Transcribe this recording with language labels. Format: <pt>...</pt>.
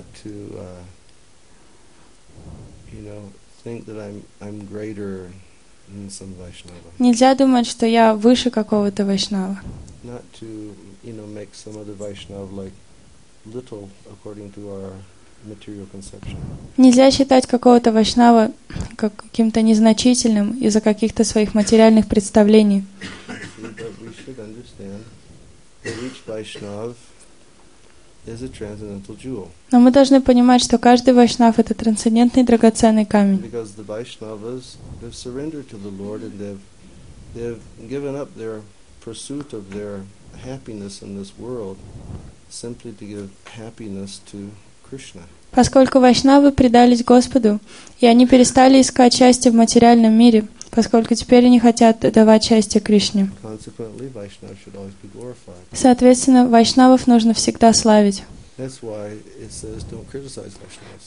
<en>Not to think that I'm greater than some Vaishnava.</en> <ru>Нельзя думать, что я выше какого-то вайшнава.</ru> <en>Not to, make some other Vaishnava like little according to our material conception.</en> <ru>Нельзя считать какого-то вайшнава каким-то незначительным из-за каких-то своих материальных представлений.</ru> <en>But we should understand that each Vaishnav is a transcendental jewel.</en> <ru>Но мы должны понимать, что каждый вайшнав это трансцендентный драгоценный камень.</ru> <en>Because the Vaishnavas have surrendered to the Lord and they've given up their pursuit of their happiness in this world simply to give happiness to Krishna.</en> <ru>Поскольку вайшнавы предались Господу, и они перестали искать счастья в материальном мире, поскольку теперь они хотят давать счастье Кришне.</ru> <en>Consequently, Vaishnava should always be glorified.</en> <ru>Соответственно, вайшнавов нужно всегда славить.</ru> <en>That's why it says don't criticize Vaishnavas.</en>